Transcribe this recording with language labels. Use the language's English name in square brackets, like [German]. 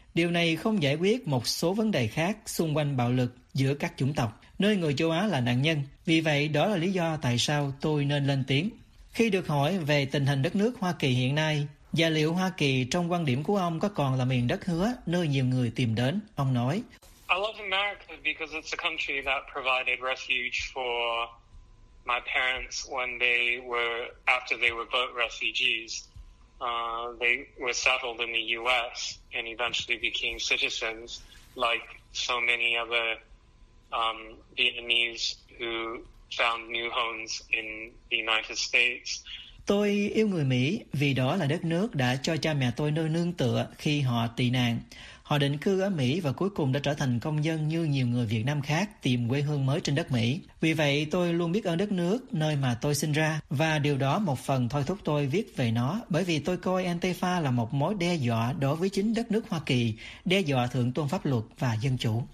[Vietnamese] Điều này không giải quyết một số vấn đề khác xung quanh bạo lực giữa các chủng tộc, nơi người châu Á là nạn nhân. Vì vậy, đó là lý do tại sao tôi nên lên tiếng. Khi được hỏi về tình hình đất nước Hoa Kỳ hiện nay, và liệu Hoa Kỳ trong quan điểm của ông có còn là miền đất hứa nơi nhiều người tìm đến, ông nói. [English] I love America because it's a country that provided refuge for my parents when they were, after they were boat refugees. They were settled in the U.S. and eventually became citizens, like so many other Vietnamese who found new homes in the United States. [Vietnamese] Tôi yêu người Mỹ vì đó là đất nước đã cho cha mẹ tôi nơi nương tựa khi họ tị nạn. Họ định cư ở Mỹ và cuối cùng đã trở thành công dân như nhiều người Việt Nam khác tìm quê hương mới trên đất Mỹ. Vì vậy, tôi luôn biết ơn đất nước nơi mà tôi sinh ra. Và điều đó một phần thôi thúc tôi viết về nó, bởi vì tôi coi Antifa là một mối đe dọa đối với chính đất nước Hoa Kỳ, đe dọa thượng tôn pháp luật và dân chủ.